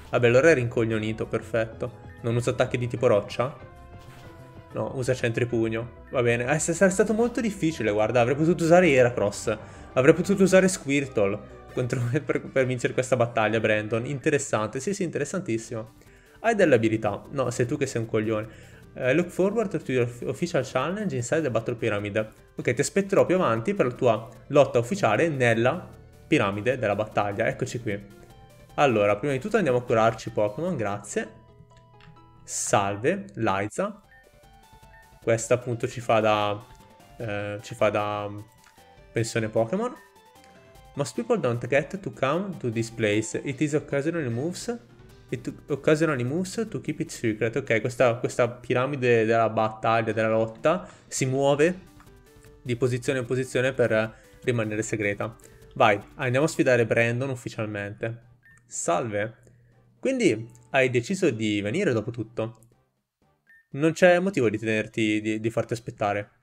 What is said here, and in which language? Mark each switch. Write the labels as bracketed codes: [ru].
[it] Vabbè, allora era rincoglionito, perfetto. Non usa attacchi di tipo roccia? No, usa centripugno. Va bene, sarebbe stato molto difficile, guarda. Avrei potuto usare Heracross. Avrei potuto usare Squirtle contro, per vincere questa battaglia, Brandon. Interessante, sì, interessantissimo. Hai delle abilità. No, sei tu che sei un coglione. [en] Look forward to your official challenge inside the Battle Pyramid. [it] Ok, ti aspetterò più avanti per la tua lotta ufficiale nella piramide della battaglia. Eccoci qui. Allora, prima di tutto andiamo a curarci Pokémon, grazie. Salve, Liza. Questa appunto ci fa da pensione Pokémon. [en] Most people don't get to come to this place. It is occasionally moves. Occasionally moves to keep it secret. [it] Ok, questa piramide della battaglia, della lotta, si muove di posizione in posizione per rimanere segreta. Vai, andiamo a sfidare Brandon ufficialmente. Salve. Quindi hai deciso di venire dopo tutto. Non c'è motivo di tenerti, di farti aspettare.